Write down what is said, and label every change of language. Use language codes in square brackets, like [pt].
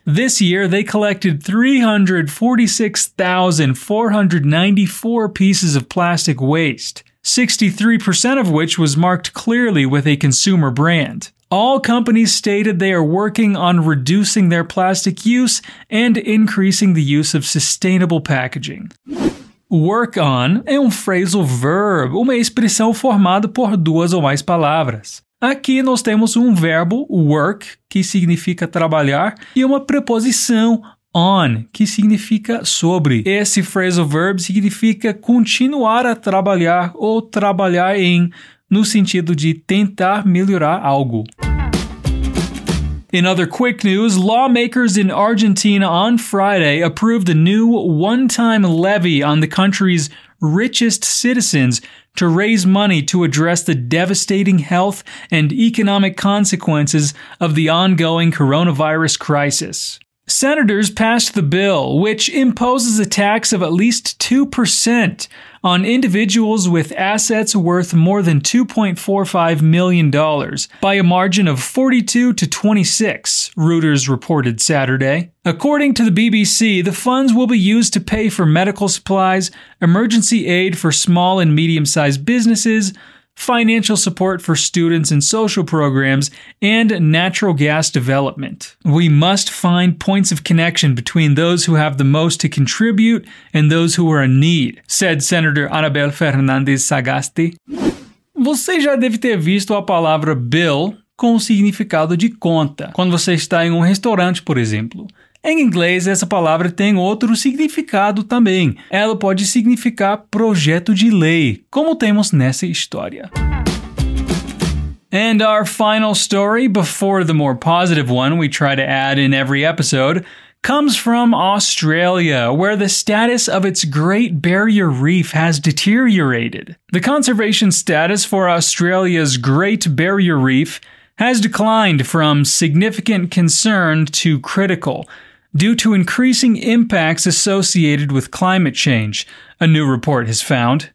[en] This year, they collected 346,494 pieces of plastic waste, 63% of which was marked clearly with a consumer brand. All companies stated they are working on reducing their plastic use and increasing the use of sustainable packaging. [pt] Work on é um phrasal verb, uma expressão formada por duas ou mais palavras. Aqui nós temos um verbo, work, que significa trabalhar, e uma preposição, on, que significa sobre. Esse phrasal verb significa continuar a trabalhar ou trabalhar em, no sentido de tentar melhorar algo. [en] In other quick news, lawmakers in Argentina on Friday approved a new one-time levy on the country's richest citizens to raise money to address the devastating health and economic consequences of the ongoing coronavirus crisis. Senators passed the bill, which imposes a tax of at least 2% on individuals with assets worth more than $2.45 million, by a margin of 42 to 26, Reuters reported Saturday. According to the BBC, the funds will be used to pay for medical supplies, emergency aid for small and medium-sized businesses, financial support for students and social programs, and natural gas development. We must find points of connection between those who have the most to contribute and those who are in need, said Senator Anabel Fernandez Sagasti. [pt] Você já deve ter visto a palavra bill com o significado de conta, quando você está em restaurante, por exemplo. Em inglês, essa palavra tem outro significado também. Ela pode significar projeto de lei, como temos nessa história. [en] And our final story, before the more positive one we try to add in every episode, comes from Australia, where the status of its Great Barrier Reef has deteriorated. The conservation status for Australia's Great Barrier Reef has declined from significant concern to critical, due to increasing impacts associated with climate change, a new report has found.